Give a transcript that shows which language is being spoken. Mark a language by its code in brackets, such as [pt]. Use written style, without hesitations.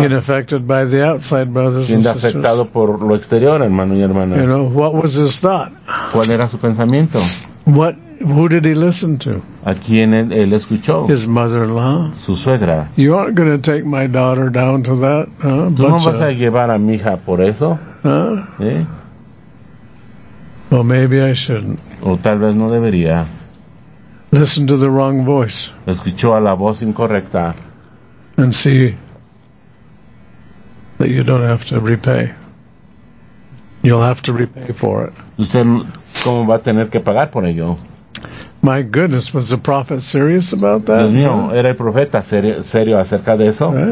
[en] Being affected by the outside, brothers and [es] sisters. Afectado por lo exterior, hermano y hermana. [en] You know, what was his thought? [es] ¿Cuál era su pensamiento? [en] What, who did he listen to? [es] ¿A quién él escuchó? [en] His mother-in-law. [es] Su suegra. [en] You aren't going to take my daughter down to that, huh? [es] ¿Tú no vas a llevar a mi hija por eso? Huh? ¿Eh? [en] Well, maybe I shouldn't. [es] O tal vez no debería. [en] Listen to the wrong voice. [es] Escuchó a la voz incorrecta. [en] And see that you don't have to repay. You'll have to repay for it. [es] ¿Usted cómo va a tener que pagar por ello? [en] My goodness, was the prophet serious about that? [es] Dios mío, ¿era el profeta serio acerca de eso?